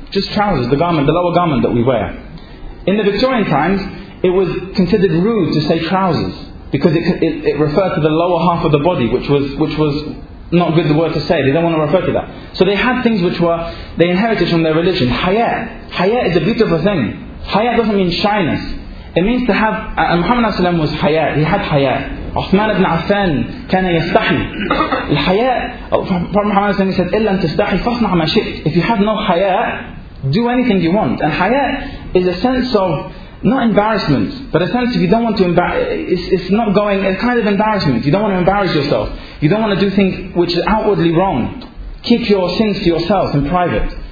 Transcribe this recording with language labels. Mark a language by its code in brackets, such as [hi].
[en] Just trousers, the garment, the lower garment that we wear. In the Victorian times, it was considered rude to say trousers, because it referred to the lower half of the body, which was not good the word to say. They don't want to refer to that. So they had things which were, they inherited from their religion. Haya is a beautiful thing. Haya doesn't mean shyness. It means to have, and Muhammad ﷺ was haya. He had haya. Uthman ibn Affan [ar] كان يستحي. الحياء, [en] Muhammad ﷺ said, [ar] إِلَّا تَسْتَحِي فَصْنَعْ مَا شِئْتْ. [en] If you have no haya, do anything you want. And haya is a sense of, not embarrassment, but a sense if you don't want to embarrass, it's not going, it's kind of embarrassment. You don't want to embarrass yourself. You don't want to do things which are outwardly wrong. Keep your sins to yourself in private.